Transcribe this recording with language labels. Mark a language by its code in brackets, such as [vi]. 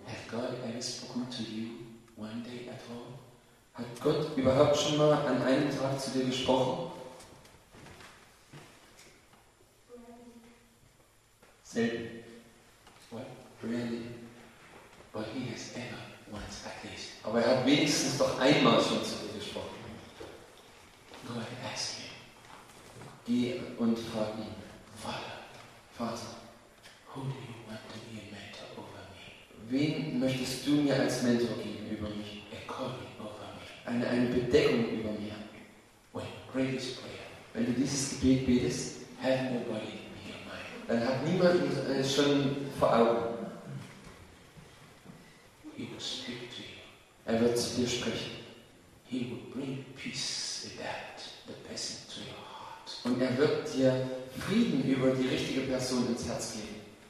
[en] Has God ever spoken to you one day at home? [de] Hat Gott überhaupt schon mal an einem Tag zu dir gesprochen? Selten. [en] Really? But he has ever once at least. [de] Aber er hat wenigstens doch einmal schon zu dir gesprochen. [en] Go and ask him. [de] Geh und frag ihn. [en] Father. [de] Vater. [en] Who do you want to be a mentor over me? [de] Wen möchtest du mir als Mentor geben über mich? [en] A covering over me. [de] Eine Bedeckung über mir. [en] When you pray this prayer, [de] wenn du dieses Gebet betest, [en] have nobody in your mind. [de] Dann hat niemand schon vor Augen. [en] He will speak to you. [de] Er wird zu dir sprechen. [en] He will bring peace about the person to your heart. [de] Und er wird dir Frieden über die richtige Person ins Herz geben.